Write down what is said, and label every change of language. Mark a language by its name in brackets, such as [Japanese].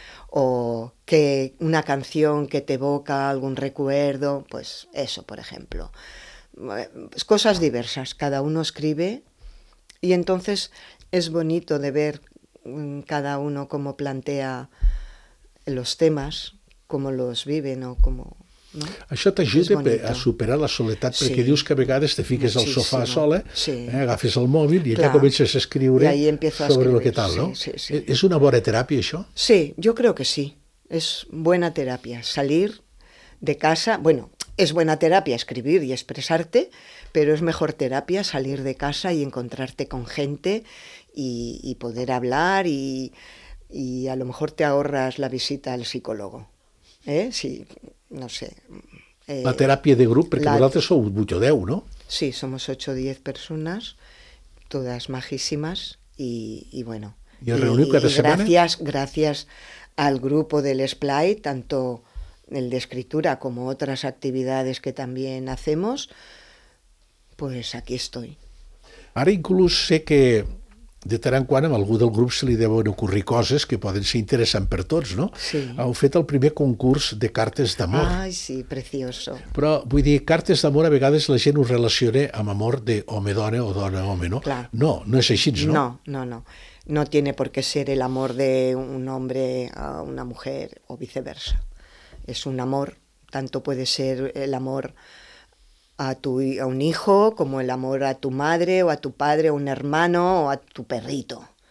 [Spanish] O que una canción que te evoca algún recuerdo, pues eso, por ejemplo. Cosas diversas, cada uno escribe y entonces es bonito de ver cada uno cómo plantea los temas, cómo los vive, ¿no? Cómo, ¿no? [Catalan] Això t'ajuda a superar la soledat, perquè sí dius que a vegades te fiques [Spanish] muchísimo [Catalan] al sofà sola, sí, agafes el mòbil i allà comences a escriure sobre lo que tal, sí, no? Sí, sí. És una bona teràpia, això? [Spanish] Sí, yo creo que sí. Es buena terapia salir de casa. Bueno, Es buena terapia escribir y expresarte, pero es mejor terapia salir de casa y encontrarte con gente y poder hablar y a lo mejor te ahorras la visita al psicólogo. ¿Eh? Sí, no sé. La terapia de grupo, porque vosotros sois mucho de uno. Sí, somos 8 o 10 personas, todas majísimas y bueno. ¿Y os reunís cada semana? Gracias al grupo del Splay, tanto el de escritura como otras actividades que también hacemos, pues aquí estoy. [Catalan] Ara inclús sé que de tant en quant a algú del grup se li deuen ocorrir coses que poden ser interessants per tots, no? Sí. Heu fet el primer concurs de cartes d'amor. [Spanish] Ai, sí, precioso. [Catalan] Però, vull dir, cartes d'amor a vegades la gent ho relaciona amb amor d'home-dona o dona-home, no? Clar. No, no és així, no? No. [Spanish] No tiene por qué ser el amor de un hombre a una mujer o viceversa. Es un amor, tanto puede ser el amor a un hijo como el amor a tu madre o a tu padre o un hermano o a tu perrito.